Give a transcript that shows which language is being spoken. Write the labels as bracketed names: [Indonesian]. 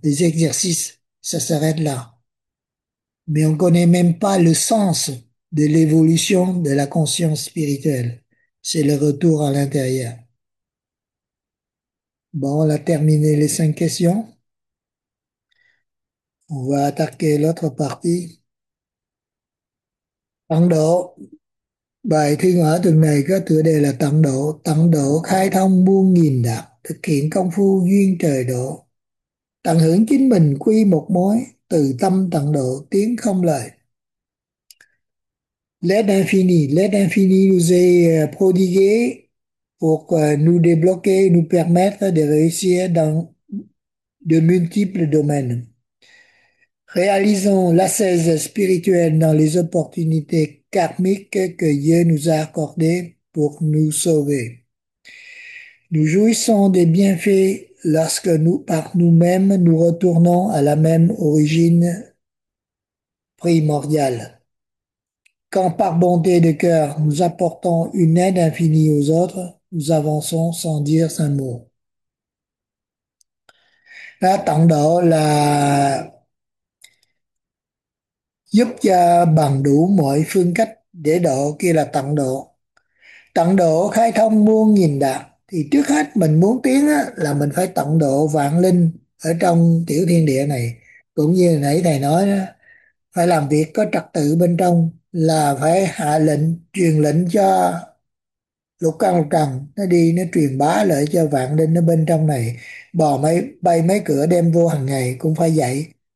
[French] Les exercices, ça s'arrête là. Mais on ne connaît même pas le sens de l'évolution de la conscience spirituelle. C'est le retour à l'intérieur. Bon, on a terminé les 5 questions. On va attaquer l'autre partie. [Vietnamese] Tăng độ. Bài thiên hóa tuần này có tựa đề là Tăng độ. Tăng độ khai thông muôn nghìn đạo, thực hiện công phu duyên trời độ. Tận hưởng chính mình quy một mối, từ tâm tận độ tiếng không lời. [French] L'aide infinie nous est prodiguée pour nous débloquer, nous permettre de réussir dans de multiples domaines. Réalisons l'ascèse spirituelle dans les opportunités karmiques que Dieu nous a accordées pour nous sauver. Nous jouissons des bienfaits lorsque nous, par nous-mêmes, nous retournons à la même origine primordiale. Quand par bonté de cœur, nous apportons une aide infinie aux autres, nous avançons sans dire un mot. [Vietnamese] Tăng độ là giúp cho bằng đủ mọi phương cách để độ, kia là tận độ. Tận độ khai thông muôn nghìn đạo, thì trước hết mình muốn tiến á, là mình phải tận độ vạn linh ở trong tiểu thiên địa này, cũng như nãy thầy nói đó, phải làm việc có trật tự bên trong, là phải hạ lệnh truyền lệnh cho lục căn lục trần nó đi, nó truyền bá lại cho vạn linh ở bên trong này, bò mấy bay mấy cửa đem vô hàng ngày cũng phải vậy.